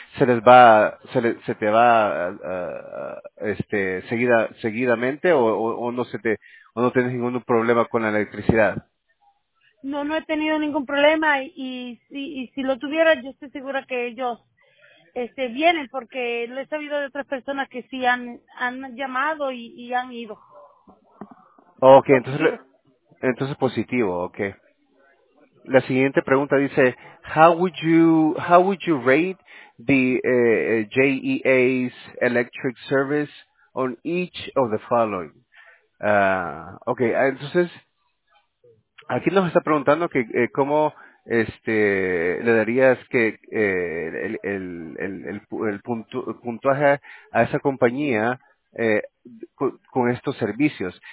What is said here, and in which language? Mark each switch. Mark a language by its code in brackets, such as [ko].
[es] ¿Se te va seguidamente o no tienes ningún problema con la electricidad? No he tenido ningún problema y si lo tuviera, yo estoy segura que ellos vienen, porque lo he sabido de otras personas que sí han llamado y han ido. Okay, entonces positivo. Okay. La siguiente pregunta dice, [en] how would you rate the JEA's electric service on each of the following? [es] Okay, entonces aquí nos está preguntando que cómo le darías que el puntaje a esa compañía con estos servicios.